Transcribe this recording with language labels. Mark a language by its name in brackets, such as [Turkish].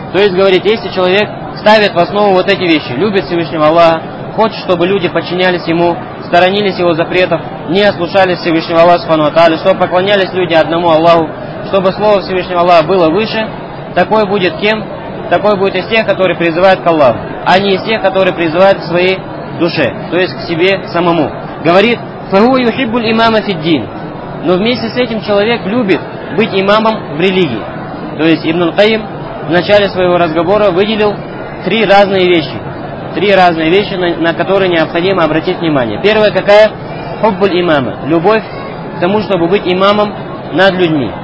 [Russian] То есть, говорит, если человек ставит в основу вот эти вещи, любит Всевышнего Аллаха, хочет, чтобы люди подчинялись ему, сторонились его запретов, не ослушались Всевышнего Аллаха Субхану Ва Тааля, чтобы поклонялись люди одному Аллаху, чтобы слово Всевышнего Аллаха было выше, такой будет кем? Такой будет из тех, которые призывают к Аллаху, а не из тех, которые призывают к своей душе, то есть к себе самому. Говорит, [Arabic] فَهُوَ يُحِبُّ الْإِمَامَ فِي الدِّينِ. [Russian] Но вместе с этим человек любит быть имамом в религии. То есть Ибн Аль-Каим в начале своего разговора выделил три разные вещи. Три разные вещи, на которые необходимо обратить внимание. Первое, какая? Хуббул имама. Любовь к тому, чтобы быть имамом над людьми.